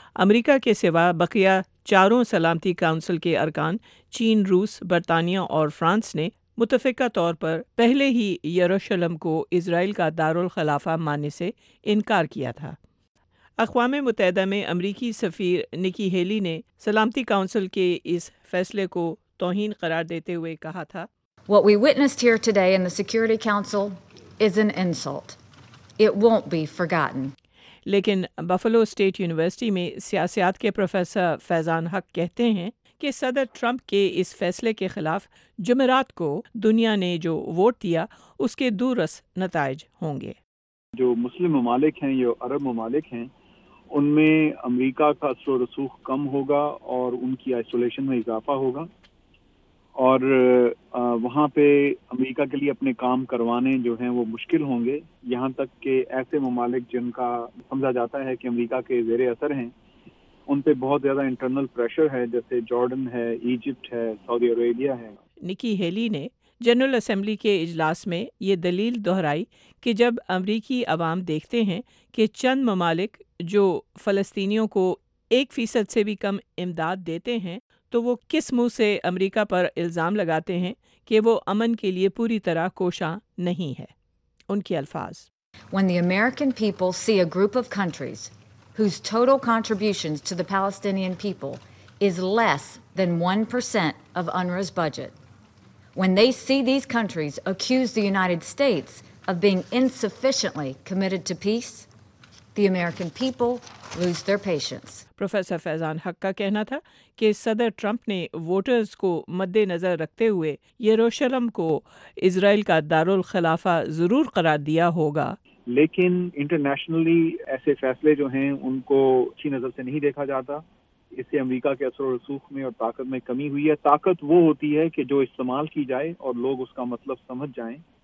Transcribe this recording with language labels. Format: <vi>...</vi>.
<ur>امریکہ کے سوا بقیہ چاروں سلامتی کونسل کے ارکان چین، روس، برطانیہ اور فرانس نے متفقہ طور پر پہلے ہی یروشلم کو اسرائیل کا دارالخلافہ ماننے سے انکار کیا تھا۔ اقوام متحدہ میں امریکی سفیر نکی ہیلی نے سلامتی کونسل کے اس فیصلے کو توہین قرار دیتے ہوئے کہا تھا،</ur> <en>What we witnessed here today in the Security Council is an insult. It won't be forgotten.</en> <ur>لیکن بفلو اسٹیٹ یونیورسٹی میں سیاسیات کے پروفیسر فیضان حق کہتے ہیں کہ صدر ٹرمپ کے اس فیصلے کے خلاف جمعرات کو دنیا نے جو ووٹ دیا اس کے دورس نتائج ہوں گے۔ جو مسلم ممالک ہیں، جو عرب ممالک ہیں، ان میں امریکہ کا اثر و رسوخ کم ہوگا اور ان کی آئسولیشن میں اضافہ ہوگا، اور وہاں پہ امریکہ کے لیے اپنے کام کروانے جو ہیں وہ مشکل ہوں گے۔ یہاں تک کہ ایسے ممالک جن کا سمجھا جاتا ہے کہ امریکہ کے زیر اثر ہیں، ان پہ بہت زیادہ انٹرنل پریشر ہے، جیسے جارڈن ہے، ایجپٹ ہے، سعودی عربیہ ہے۔ نکی ہیلی نے جنرل اسمبلی کے اجلاس میں یہ دلیل دہرائی کہ جب امریکی عوام دیکھتے ہیں کہ چند ممالک جو فلسطینیوں کو 1% سے بھی کم امداد دیتے ہیں تو وہ کس منہ سے امریکہ پر الزام لگاتے ہیں کہ وہ امن کے لیے پوری طرح کوشاں نہیں ہے۔ ان کے الفاظ،</ur> <en>When the American people see a group of countries whose total contributions to the Palestinian people is less than 1% of UNRWA's budget, when they see these countries accuse the United States of being insufficiently committed to peace, the American people lose their patience.</en> <ur>Professor فیضان حق کا کہنا تھا کہ صدر Trump نے voters کو مد نظر رکھتے ہوئے یروشلم کو اسرائیل کا دارالخلافہ ضرور قرار دیا ہوگا، لیکن انٹرنیشنلی ایسے فیصلے جو ہیں ان کو اچھی نظر سے نہیں دیکھا جاتا۔ اس سے امریکہ کے اثر و رسوخ میں اور طاقت میں کمی ہوئی ہے۔ طاقت وہ ہوتی ہے کہ جو استعمال کی جائے اور لوگ اس کا مطلب سمجھ جائیں۔</ur>